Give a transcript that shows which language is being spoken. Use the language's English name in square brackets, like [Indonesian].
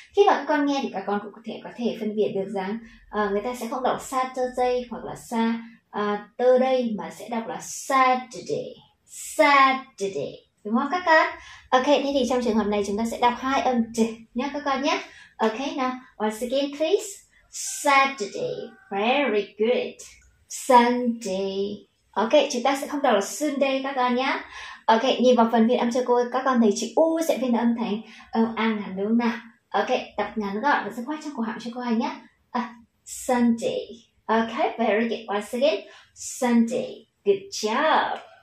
[Vietnamese] Khi mà các con nghe thì các con cũng có thể phân biệt được rằng người ta sẽ không đọc Saturday hoặc là Saturday mà sẽ đọc là Saturday. Saturday. Đúng không các con? Ok, thế thì trong trường hợp này chúng ta sẽ đọc hai âm T nhé các con nhé. [English] Ok, now once again please. Saturday. Very good. Sunday. [Vietnamese] Ok, chúng ta sẽ không đọc là Sunday các con nhé. Ok, nhìn vào phần phiên âm cho cô, các con thấy chữ U sẽ phiên âm thành âm A ngắn đúng không nào? Ok, đọc ngắn gọn và dứt khoát trong cổ họng cho cô hay nhé. [English] Sunday. Ok, very good. Once again, Sunday. Good job.